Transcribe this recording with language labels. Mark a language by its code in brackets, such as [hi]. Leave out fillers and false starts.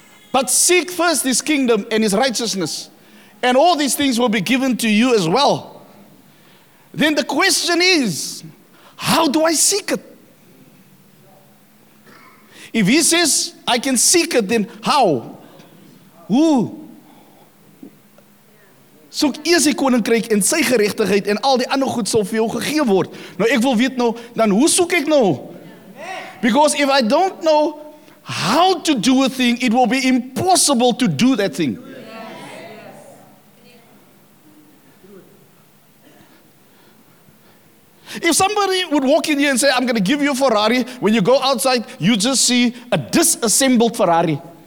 [en] But seek first his kingdom and his righteousness, and all these things will be given to you as well. Then the question is, how do I seek it? If he says, I can seek it, then how? Who? [af] Soek eers die koninkryk en sy geregtigheid en al die ander goed sal vir jou gegee word. Nou ek wil weet nou, dan hoe soek ek nou? [en] Because if I don't know how to do a thing, it will be impossible to do that thing. If somebody would walk in here and say, I'm going to give you a Ferrari, when you go outside, you just see a disassembled Ferrari.